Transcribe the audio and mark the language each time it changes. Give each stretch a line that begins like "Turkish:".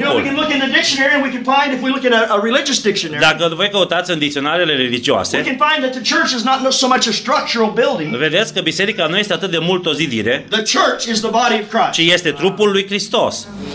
English: You know, we can look in the dictionary and we can find if we look in a religious dictionary.
Romanian: Dacă voi căutați în dicționarele religioase.
English: We can find that the church is not so much a structural building.
Romanian: Vedeți că biserica nu este atât de mult o zidire.
English: The church is the body of Christ.
Romanian: Ci este trupul lui Hristos.